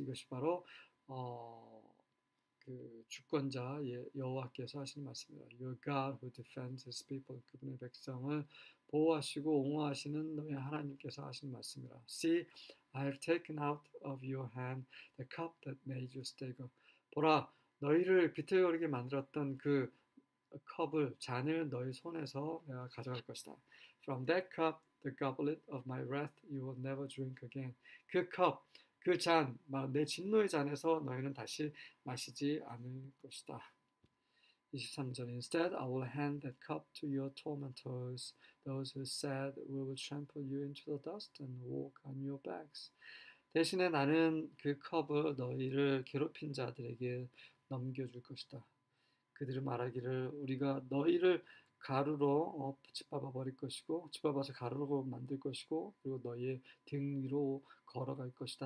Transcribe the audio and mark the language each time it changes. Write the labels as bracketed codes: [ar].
[ko] 이것이 바로 그 주권자 여호와께서 하시는 말씀입니다. [en] Your God who defends his people. [ko] 그분의 백성을 보호하시고 옹호하시는 너의 하나님께서 하시는 말씀이라. [en] See, I have taken out of your hand the cup that made you stagger. [ko] 보라, 너희를 비틀거리게 만들었던 그 컵을 잔을 너희 손에서 내가 가져갈 것이다. [en] From that cup, the goblet of my wrath, you will never drink again. [ko] 그 컵, 그 잔, 내 진노의 잔에서 너희는 다시 마시지 않을 것이다. 23절, [en] Instead, I will hand that cup to your tormentors, those who said, We will trample you into the dust and walk on your backs. [ko] 대신에 나는 그 컵을 너희를 괴롭힌 자들에게 넘겨줄 것이다. 그들이 말하기를, 우리가 너희를 가루로 짓밟아 버릴 것이고, 짓밟아서 가루로 만들 것이고, 그리고 너희의 등 위로 걸어갈 것이다.